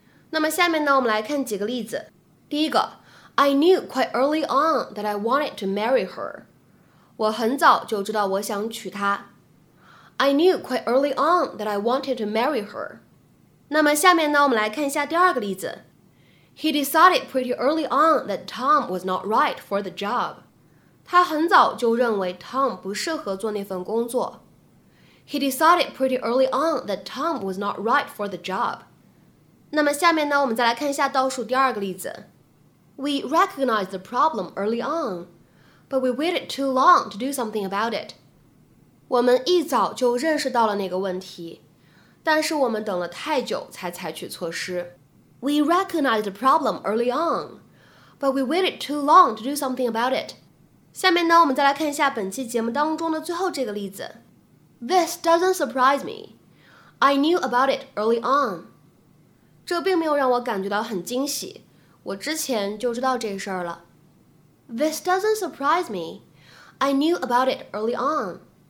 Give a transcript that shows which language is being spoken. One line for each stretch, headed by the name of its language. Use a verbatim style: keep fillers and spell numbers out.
Chinese: 那么下面呢，我们来看几个例子。第一个
English: ，I knew quite early on that I wanted to marry her。
Chinese: 我很早就知道我想娶她。
English: I knew quite early on that I wanted to marry her。
Chinese: 那么下面呢，我们来看一下第二个例子。
English: He decided pretty early on that Tom was not right for the job。
Chinese: 他很早就认为 Tom 不适合做那份工作。
English: He decided pretty early on that Tom was not right for the job。
Chinese: 那么下面呢，我们再来看一下倒数第二个例子。
English: We recognized the problem early on, but we waited too long to do something about it。
Chinese: 我们一早就认识到了那个问题，但是我们等了太久才采取措施。
English: We recognized the problem early on, but we waited too long to do something about it。
Chinese: 下面呢，我们再来看一下本期节目当中的最后这个例子。
English: This doesn't surprise me. I knew about it early on。
Chinese: 这并没有让我感觉到很惊喜，我之前就知道这事儿了。
English: This doesn't surprise me. I knew about it early on.